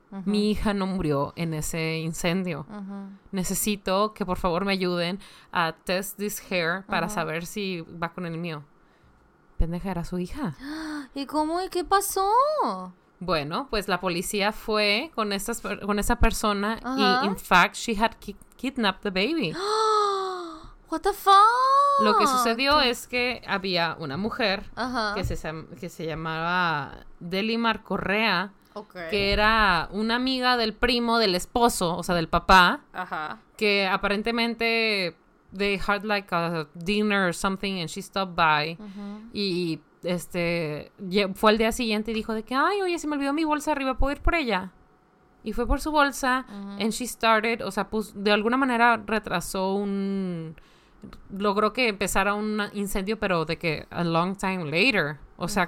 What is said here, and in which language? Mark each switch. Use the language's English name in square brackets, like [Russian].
[Spanish] Uh-huh. Mi hija no murió en ese incendio. Uh-huh. Necesito que por favor me ayuden a [English] test this hair [Spanish] para uh-huh. saber si va con el mío. Pendeja, era su hija. ¿Y cómo? ¿Y qué pasó? Bueno, pues la policía fue con esa persona uh-huh. [English] y in fact she had kidnapped the baby. What the fuck? [Spanish] Lo que sucedió es que había una mujer uh-huh. que se llamaba Delimar Correa. Okay. Que era una amiga del primo del esposo, o sea, del papá. Ajá. Que aparentemente [English] they had like a dinner or something [Spanish] and she stopped by. Uh-huh. Y fue al día siguiente y dijo de que, ay, oye, se me olvidó mi bolsa arriba, ¿puedo ir por ella? Y fue por su bolsa. Uh-huh. [English] And she started, [Spanish] o sea, pues de alguna manera retrasó un... Logró que empezara un incendio, pero de que [English] a long time later. [Spanish] O sea, uh-huh.